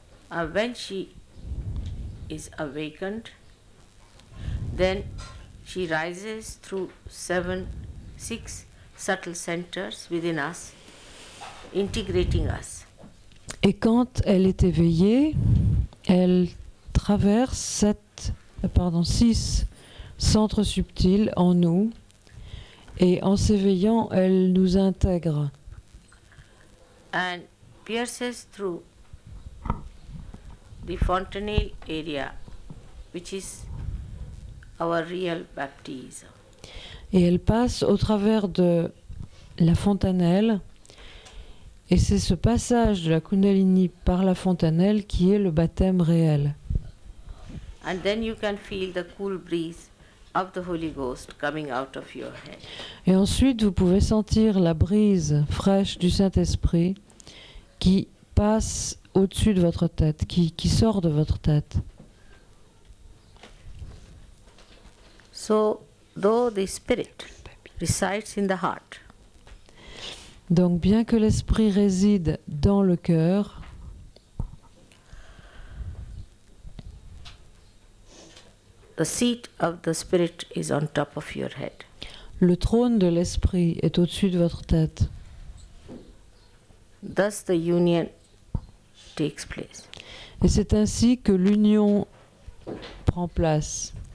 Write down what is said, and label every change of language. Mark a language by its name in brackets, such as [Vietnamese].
[English] And when she is awakened, then she rises through six subtle centers within us, integrating us. [French] Et quand elle est éveillée, elle traverse six centres subtils en nous. Et en s'éveillant, elle nous intègre. [English] And pierces through the fontanelle area, which is our real baptism. [French] Et elle passe au travers de la fontanelle. Et c'est ce passage de la Kundalini par la fontanelle qui est le baptême réel. [English] And then you can feel the cool breeze of the Holy Ghost coming out of your head. [French] Et ensuite, vous pouvez sentir la brise fraîche du Saint-Esprit qui passe au-dessus de votre tête, qui sort de votre tête. [English] So, though the spirit resides in the heart. [French] Donc, bien que l'esprit réside dans le cœur. [English] The seat of the spirit is on top of your head. [French] Le trône de l'esprit est au-dessus de votre tête. [English] Thus the union takes place. [French] Et c'est ainsi que l'union prend place.